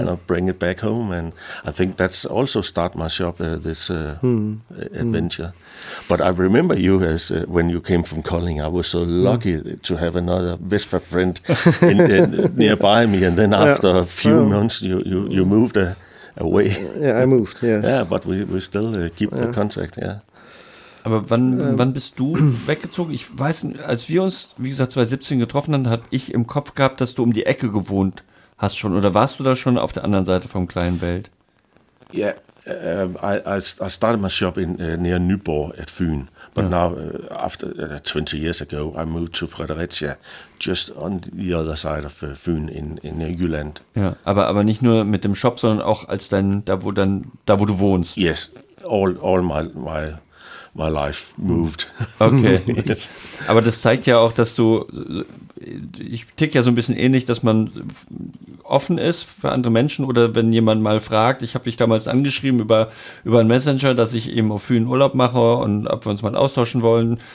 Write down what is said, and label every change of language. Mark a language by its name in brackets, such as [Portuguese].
[English] And I'll bring it back home. And I think that's also start my shop, this adventure. Mm. But I remember you as when you came from Colling. I was so lucky to have another Vespa friend nearby me. And then after a few months, you moved away. Yeah, I moved, yes. Yeah, but we still keep the contact, yeah. [German] Aber wann bist du weggezogen? Ich weiß nicht, als wir uns, wie gesagt, 2017 getroffen haben, habe ich im Kopf gehabt, dass du um die Ecke gewohnt hast schon. Oder warst du da schon auf der anderen Seite vom kleinen Welt? [English] Ja, yeah, I started my shop in near Nyborg at Fyn. But now, after 20 years ago, I moved to Fredericia, just on the other side of Fyn in Jylland. [German] Ja, aber nicht nur mit dem Shop, sondern auch als wo du wohnst. [English] Yes, all my life moved. Okay. Yes. [German] Aber das zeigt ja auch, dass du, ich tick ja so ein bisschen ähnlich, dass man offen ist für andere Menschen oder wenn jemand mal fragt, ich habe dich damals angeschrieben über einen Messenger, dass ich eben auf Fühlen Urlaub mache und ob wir uns mal austauschen wollen.